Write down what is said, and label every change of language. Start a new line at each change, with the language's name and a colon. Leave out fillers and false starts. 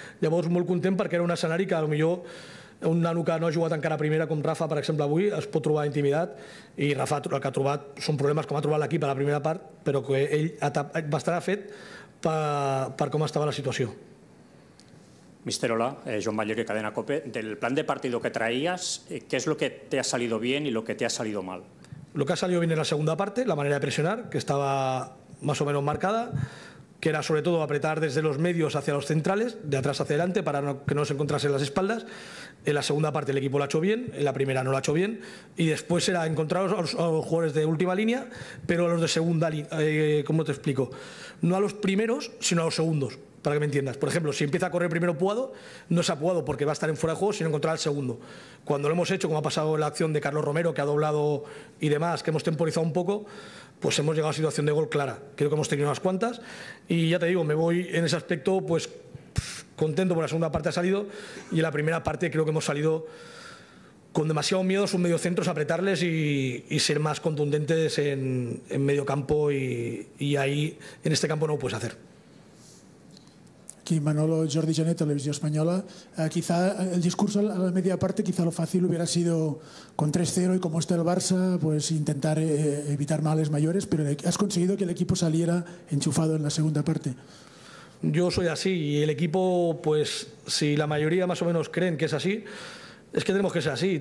Catalan: Llavors molt content perquè era un escenari que potser un nano que no ha jugat encara a primera com Rafa, per exemple, avui es pot trobar intimidat, i Rafa el que ha trobat són problemes com ha trobat l'equip a la primera part, però que ell va estar fet per com estava la situació.
Spanish: Mister, hola, Joan Ballero, Cadena Cope. Del plan de partido que traías, ¿qué es lo que te ha salido bien y lo que te ha salido mal? Lo que ha salido bien en la segunda parte, la manera de presionar, que estaba más o menos marcada, que era sobre todo apretar desde los medios hacia los centrales, de atrás hacia adelante, para que no se encontrasen las espaldas. En la segunda parte el equipo lo ha hecho bien, en la primera no lo ha hecho bien, y después era encontrar a los jugadores de última línea, pero a los de segunda línea, ¿cómo te explico? No a los primeros, sino a los segundos, para que me entiendas. Por ejemplo, si empieza a correr primero Puado, no es a Puado porque va a estar en fuera de juego, sino encontrar al segundo. Cuando lo hemos hecho, como ha pasado la acción de Carlos Romero, que ha doblado y demás, que hemos temporizado un poco, pues hemos llegado a situación de gol clara. Creo que hemos tenido unas cuantas, y ya te digo, me voy en ese aspecto pues contento porque la segunda parte ha salido, y en la primera parte creo que hemos salido con demasiado miedo a sus mediocentros, a apretarles y ser más contundentes en medio campo, y ahí en este campo no lo puedes hacer. Aquí Manolo, Jordi Jané, Televisió Espanyola. Quizá el discurso a la media parte, quizá lo fácil hubiera sido con 3-0 y como está el Barça, pues intentar evitar males mayores, pero has conseguido que el equipo saliera enchufado en la segunda parte. Yo soy así, y el equipo, pues si la mayoría más o menos creen que es así, es que tenemos que ser así.